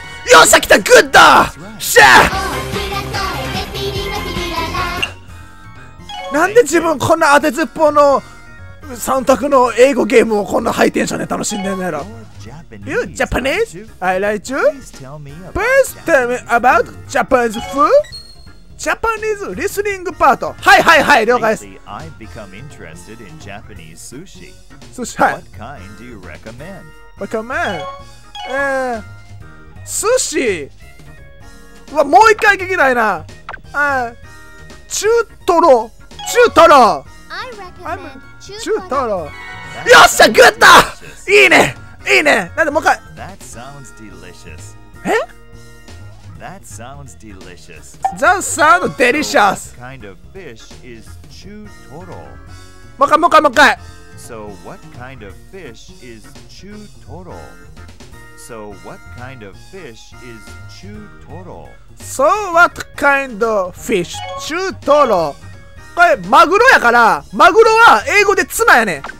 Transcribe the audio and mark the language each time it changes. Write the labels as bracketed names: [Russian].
[Japanese] よっしゃ、来た、グッド、シェなんで自分、こんな当てずっぽうの三択の英語ゲームをこんなハイテンションで楽しんでんのやろ。 [English] You Japanese? I like you. Please tell me about Japanese food. Japanese listening part. [Japanese] はいはいはい、了解です。 [English] I've become interested in Japanese sushi. Sushi. What kind do you recommend? Recommend? Sushi. [Japanese] わ、もう一回聞きたいな。中トロ。中トロ。 [English] I recommend 中トロ。 [Japanese] よっしゃ、グッド。いいね。いいね。なんでもう一回。 [English] That sounds delicious. え？That sounds delicious. That sounds delicious. So, what kind of fish is chutoro? [Japanese] もう一回もう一回もう一回。 [English] So what kind of fish is chutoro? So what kind of fish is chutoro? So what kind of fish? Chutoro. [Japanese] これマグロやから、マグロは英語でツナやね。